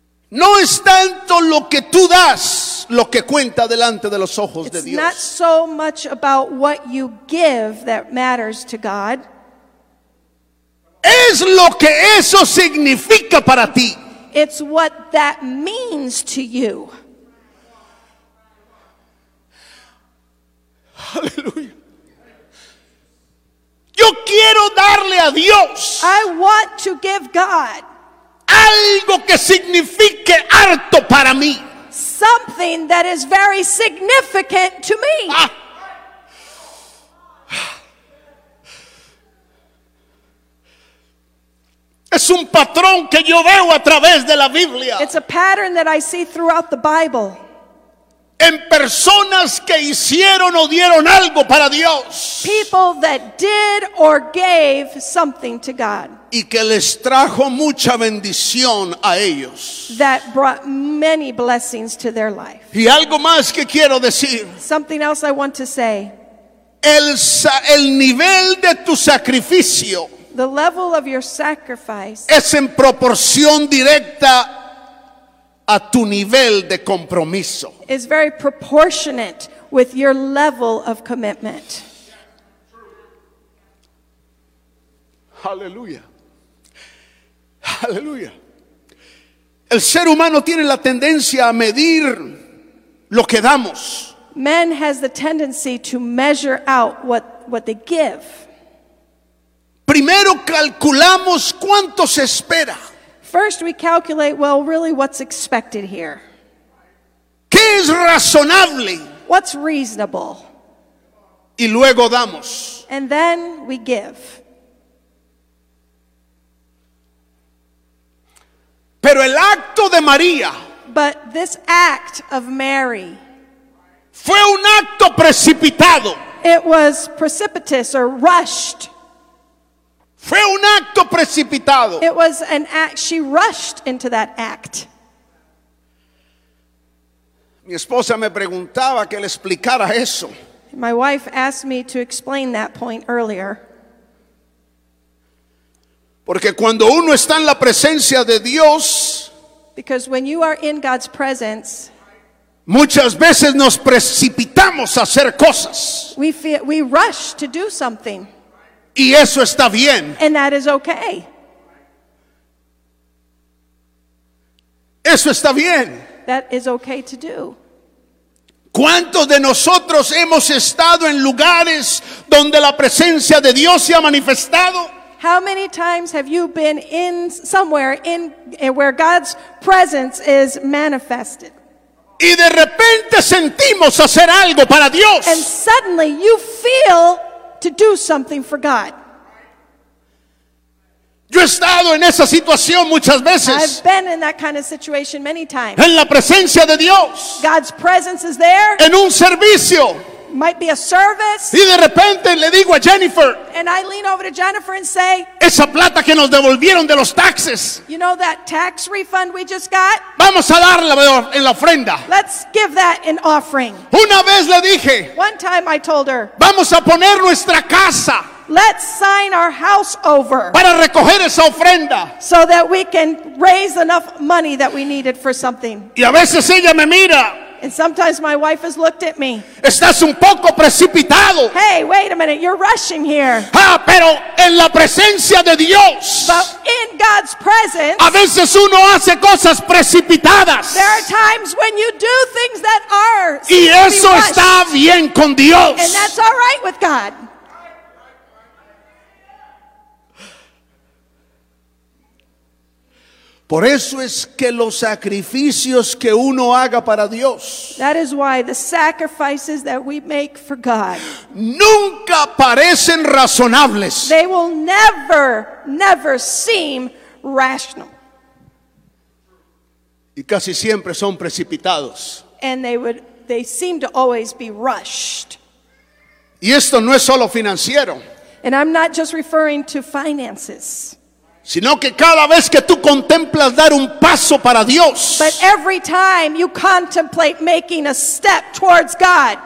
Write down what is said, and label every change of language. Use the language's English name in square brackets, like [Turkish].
[Spanish] no es tanto lo que tú das lo que cuenta delante de los ojos de Dios. [English] It's not so much about what you give that matters to God. [Spanish] Es lo que eso significa para ti. [English] It's what that means to you. [Spanish] Aleluya. Yo quiero darle a Dios, [English] I want to give God, [Spanish] algo que signifique harto para mí. [English] Something that is very significant to me. [Spanish] Es un patrón que yo veo a través de la Biblia. [English] It's a pattern that I see throughout the Bible. [Spanish] En personas que hicieron o dieron algo para Dios. [English] People that did or gave something to God. [Spanish] Y que les trajo mucha bendición a ellos. [English] That brought many blessings to their life. [Spanish] Y algo más que quiero decir. [English] Something else I want to say. [Spanish] El nivel de tu sacrificio. [English] The level of your sacrifice. [Spanish] Es en proporción directa a tu nivel de compromiso. [English] Is very proportionate with your level of commitment. Hallelujah. Hallelujah. [Spanish] El ser humano tiene la tendencia a medir lo que damos. [English] Man has the tendency to measure out what they give. [Spanish] Primero calculamos cuánto se espera. [English] First we calculate, well, really what's expected here. [Spanish] ¿Qué es razonable? [English] What's reasonable? [Spanish] Y luego damos. [English] And then we give. [Spanish] Pero el acto de María, [English] but this act of Mary, [Spanish] fue un acto precipitado. [English] It was precipitous or rushed. [Spanish] Fue un acto precipitado. [English] It was an act. She rushed into that act. [Spanish] Mi esposa me preguntaba que le explicara eso. [English] My wife asked me to explain that point earlier. [Spanish] Porque cuando uno está en la presencia de Dios, [English] because when you are in God's presence, [Spanish] muchas veces nos precipitamos a hacer cosas. [English] We rush to do something. [Spanish] Y eso está bien. [English] And that is okay. [Spanish] Eso está bien. [English] That is okay to do. [Spanish] ¿Cuántos de nosotros hemos estado en lugares donde la presencia de Dios se ha manifestado? [English] How many times have you been in somewhere in where God's presence is manifested? [Spanish] Y de repente sentimos hacer algo para Dios. [English] And suddenly you feel to do something for God. [Spanish] Yo he estado en esa situación muchas veces. [English] I've been in that kind of situation many times. [Spanish] En la presencia de Dios. [English] God's presence is there. [Spanish] En un servicio. [English] Might be a service. [Spanish] Y de repente le digo a Jennifer. [English] And I lean over to Jennifer and say, [Spanish] esa plata que nos devolvieron de los taxes. [English] You know that tax refund we just got? [Spanish] Vamos a darla en la ofrenda. [English] Let's give that an offering. [Spanish] Una vez le dije. [English] One time I told her. [Spanish] Vamos a poner nuestra casa. [English] Let's sign our house over. [Spanish] Para recoger esa ofrenda. [English] So that we can raise enough money that we needed for something. [Spanish] Y a veces ella me mira. [English] And sometimes my wife has looked at me. [Spanish] Estás un poco precipitado. [English] Hey, wait a minute, you're rushing here. [Spanish] Ah, pero en la presencia de Dios. [English] But in God's presence. [Spanish] A veces uno hace cosas precipitadas. [English] There are times when you do things that are. [Spanish] Y eso está bien con Dios. [English] And that's all right with God. [Spanish] Por eso es que los sacrificios que uno haga para Dios. [English] That is why the sacrifices that we make for God. [Spanish] Nunca parecen razonables. [English] They will never, never seem rational. [Spanish] Y casi siempre son precipitados. [English] And they seem to always be rushed. [Spanish] Y esto no es solo financiero. [English] And I'm not just referring to finances. [Spanish] Sino que cada vez que tú contemplas dar un paso para Dios. [English] But every time you contemplate making a step towards God.